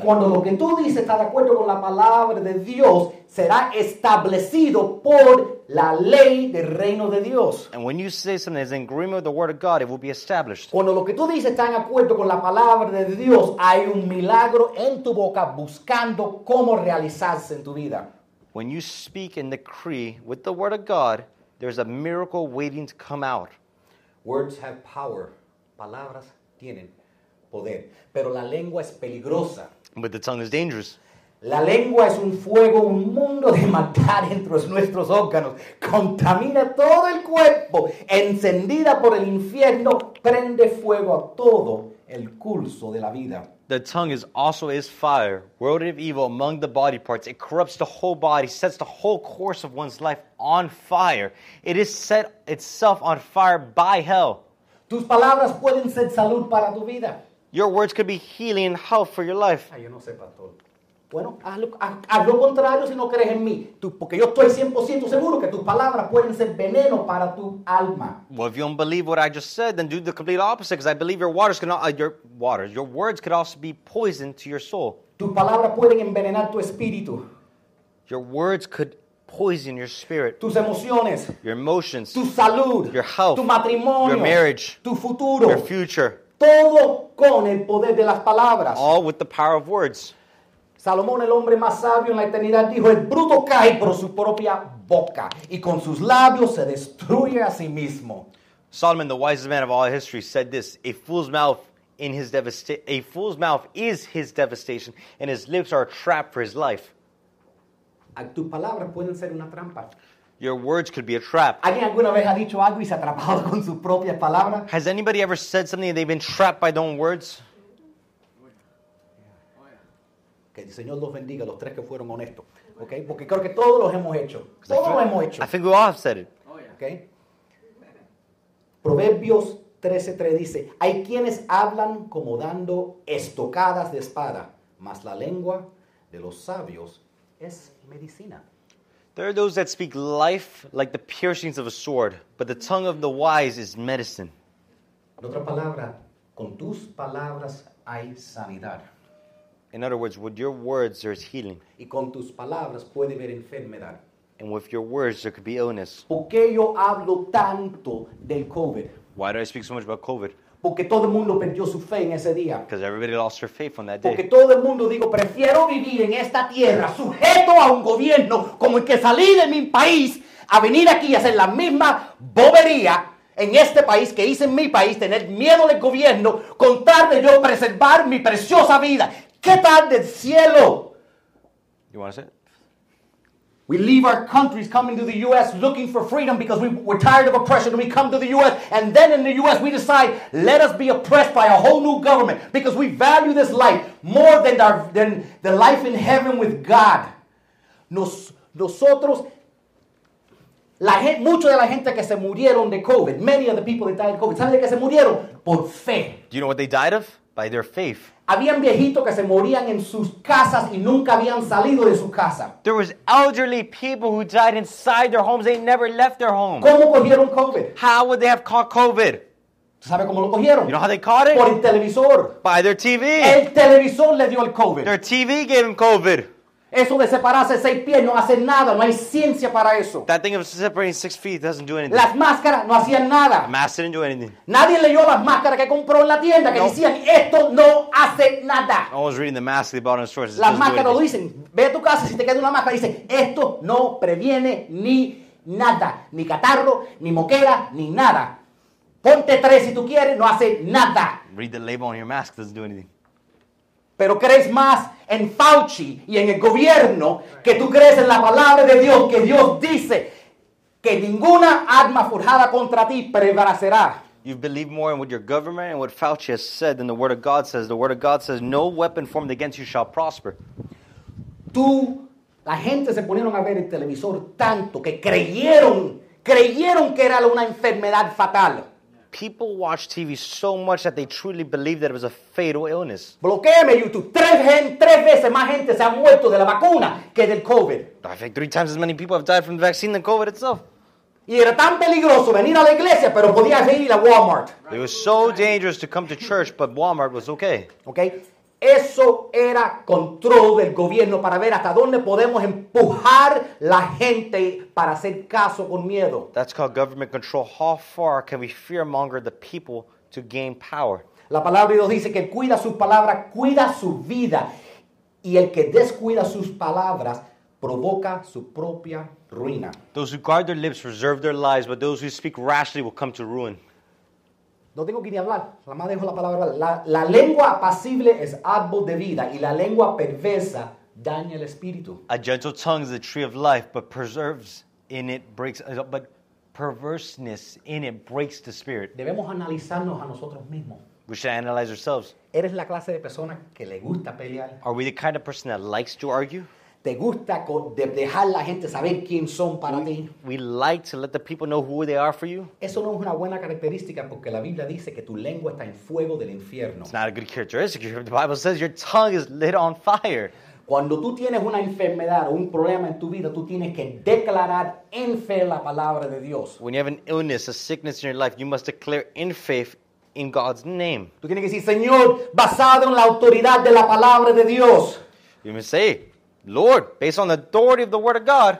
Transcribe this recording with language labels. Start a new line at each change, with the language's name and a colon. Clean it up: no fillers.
Spanish: Y cuando lo que tú dices está de acuerdo con la palabra de Dios, será establecido por la ley del reino de Dios.
English: And when you say something that's in agreement with the word of God, it will be established.
Spanish: Cuando lo que tú dices está en acuerdo con la palabra de Dios, hay un milagro en tu boca buscando cómo realizarse en tu vida.
English: When you speak and decree with the word of God, there's a miracle waiting to come out. Words have power.
Spanish: Palabras tienen poder. Pero la lengua es peligrosa.
English: But the tongue is dangerous.
Spanish: La lengua es un fuego, un mundo de matar entre nuestros órganos. Contamina todo el cuerpo. Encendida por el infierno, prende fuego a todo el curso de la vida.
English: The tongue is also fire, world of evil among the body parts. It corrupts the whole body, sets the whole course of one's life on fire. It is set itself on fire by hell.
Spanish: Tus palabras pueden ser salud para tu vida.
English: Your words could be healing and health for your life.
Spanish: Ay, yo no sé, pastor. Bueno, haz lo contrario si no crees en mí. Porque yo estoy 100% seguro que tus palabras pueden ser veneno para tu alma.
English: Well, if you don't believe what I just said, then do the complete opposite, because I believe your words could also be poison to your soul.
Spanish: Tus palabras pueden envenenar tu espíritu.
English: Your words could poison your spirit.
Spanish: Tus emociones.
English: Your emotions.
Spanish: Tu salud.
English: Your health.
Spanish: Tu matrimonio.
English: Your marriage.
Spanish: Tu futuro.
English: Your future.
Spanish: Todo con el poder de las palabras.
English: All with the power of words.
Spanish: Salomón, el hombre más sabio en la eternidad, dijo, el bruto cae por su propia boca y con sus labios se destruye a sí mismo.
English: Solomon, the wisest man of all history, said this, a fool's mouth is his devastation and his lips are a trap for his life.
Spanish: Tus palabras pueden ser una trampa.
English: Your words could be a trap.
Spanish: ¿Alguien alguna vez ha dicho algo y se ha atrapado con sus propias palabras?
English: Has anybody ever said something and they've been trapped by their own words?
Spanish: Que el Señor los bendiga, los tres que fueron honestos. Okay? Porque creo que todos los hemos hecho.
English: I think we all have said it. Okay?
Spanish: Proverbios 13:3 dice, hay quienes hablan como dando estocadas de espada, mas la lengua de los sabios es medicina.
English: There are those that speak life like the piercings of a sword, but the tongue of the wise is medicine.
Spanish: En otra palabra, con tus palabras hay sanidad.
English: In other words, with your words, there is healing.
Spanish: Y con tus palabras puede haber enfermedad.
English: And with your words, there could be illness.
Spanish: ¿Por qué yo hablo tanto del COVID?
English: Why do I speak so much about COVID?
Spanish: Porque todo el mundo perdió su fe en ese día.
English: Because everybody lost their faith on that
Spanish: Porque
English: day.
Spanish: Porque todo el mundo dijo, prefiero vivir en esta tierra sujeto a un gobierno como el que salí de mi país a venir aquí a hacer la misma bobería en este país que hice en mi país, tener miedo del gobierno, con tal de yo preservar mi preciosa vida. ¿Qué tal del cielo?
English: You want to say it? We leave our countries coming to the U.S. looking for freedom because we're tired of oppression and we come to the U.S. And then in the U.S. we decide, let us be oppressed by a whole new government because we value this life more than the life in heaven with God.
Spanish: Nosotros, Mucho de la gente que se murieron de COVID,
English: many of the people that died of COVID,
Spanish: ¿saben de qué se murieron? Por fe.
English: Do you know what they died of? By their faith.
Spanish: Habían viejitos que se morían en sus casas y nunca habían salido de su casa.
English: There was elderly people who died inside their homes. They never left their home.
Spanish: ¿Cómo cogieron COVID?
English: How would they have caught COVID?
Spanish: ¿Sabe cómo lo cogieron?
English: You know how they caught it?
Spanish: Por el televisor.
English: By their TV.
Spanish: El televisor le dio el COVID.
English: Their TV gave them COVID.
Spanish: Eso de separarse
English: 6 feet
Spanish: no hace nada. No hay ciencia para eso.
English: That thing of separating 6 feet doesn't do anything.
Spanish: Las máscaras no hacían nada.
English: The mask didn't do anything.
Spanish: Nadie leyó las máscaras que compró en la tienda que decían, esto no hace nada.
English: No one was reading the mask they bought in the stores.
Spanish: Las máscaras lo dicen. Ve a tu casa si te queda una máscara. Dicen, esto no previene ni nada. Ni catarro, ni moquera, ni nada. Ponte 3 si tú quieres, no hace nada.
English: Read the label on your mask, doesn't do anything.
Spanish: Pero crees más en Fauci y en el gobierno que tú crees en la palabra de Dios, que Dios dice que ninguna arma forjada contra ti prevalecerá.
English: You believe more in what your government and what Fauci has said than the word of God says. The word of God says, no weapon formed against you shall prosper.
Spanish: Tú, la gente se ponieron a ver el televisor tanto que creyeron que era una enfermedad fatal.
English: People watch TV so much that they truly believe that it was a fatal illness.
Spanish: Bloquéame YouTube. Tres veces más gente se ha muerto de la vacuna que del COVID.
English: I think 3 times as many people have died from the vaccine than COVID itself.
Spanish: Y era tan peligroso venir a la iglesia, pero podías ir a Walmart.
English: It was so dangerous to come to church, but Walmart was okay. Okay.
Spanish: Eso era control del gobierno para ver hasta dónde podemos empujar la gente para hacer caso con miedo.
English: That's called government control. How far can we fearmonger the people to gain power?
Spanish: La palabra de Dios dice que el que cuida sus palabras cuida su vida. Y el que descuida sus palabras provoca su propia ruina.
English: Those who guard their lips reserve their lives, but those who speak rashly will come to ruin.
Spanish: No tengo que ni hablar. La madre dijo la palabra. La lengua apacible es árbol de vida y la lengua perversa daña el espíritu.
English: A gentle tongue is a tree of life, but perverseness in it breaks. But perverseness in it breaks the spirit.
Spanish: Debemos analizarnos a nosotros mismos.
English: We should analyze ourselves.
Spanish: ¿Eres la clase de persona que le gusta pelear?
English: Are we the kind of person that likes to argue?
Spanish: ¿Te gusta dejar la gente saber quién son para ti?
English: We like to let the people know who they are for you.
Spanish: Eso no es una buena característica porque la Biblia dice que tu lengua está en fuego del infierno.
English: It's not a good characteristic. The Bible says your tongue is lit on fire.
Spanish: Cuando tú tienes una enfermedad o un problema en tu vida, tú tienes que declarar en fe la palabra de Dios.
English: When you have an illness, a sickness in your life, you must declare in faith in God's name.
Spanish: Tú tienes que decir, Señor, basado en la autoridad de la palabra de Dios.
English: You must say, Lord, based on the authority of the word of God,